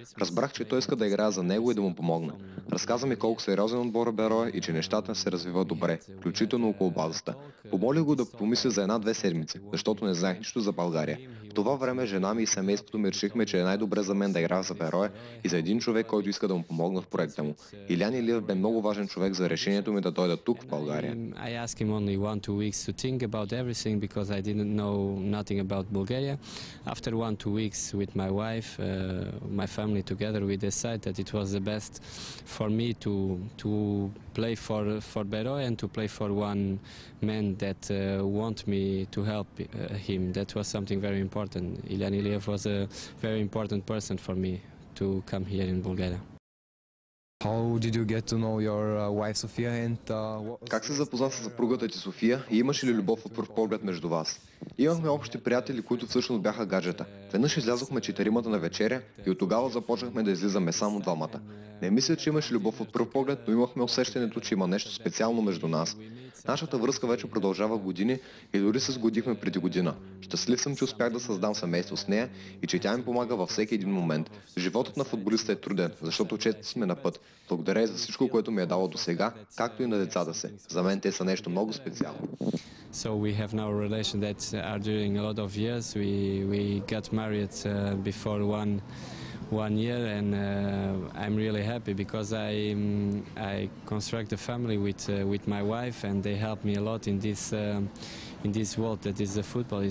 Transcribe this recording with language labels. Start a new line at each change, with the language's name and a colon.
Bulgarian: Разбрах, че той иска да играе за него и да му помогна. Разказа ми колко сериозен отбор е Берое и че нещата се развиват добре, включително около базата. Помолих го да помисли за една-две седмици, защото не знаех нищо за България. В това време жена ми и семейството ми решихме, че е най-добре за мен да игра за Берое и за един човек, който иска да му помогна в проекта му. Илян Илиев бе много важен човек за решението ми да дойда тук, в България.
English: I asked him only 1-2 weeks to think about everything because I didn't know nothing about Bulgaria. After 1-2 weeks with my wife, my family together, we decided that it was the best for me to play for Beroe and to play for one man that want me to help him. That was something very important. Ilyan Ilyev was a very important person for me to come here in Bulgaria. How did you get to know your wife Sofia and
Bulgarian: Как се запозна с съпругата ти София и имаше ли любов от пръв поглед между вас? Имахме общи приятели, които всъщност бяха гаджета. Веднъж излязохме четиримата на вечеря и от тогава започнахме да излизаме само двамата. Не мисля, че имаше любов от пръв поглед, но имахме усещането, че има нещо специално между нас. Нашата връзка вече продължава години и дори се сгодихме преди година. Щастлив съм, че успях да създам семейство с нея и че тя ми помага във всеки един момент. Животът на футболиста е труден, защото често сме на път. Благодаря за всичко, което ми е дало до сега, както и на децата си. За мен те са нещо много специално.
English: So we have now a relation that are during a lot of years. We got married before one year and I'm really happy because I construct a family with my wife and they help me a lot in this world that is the football.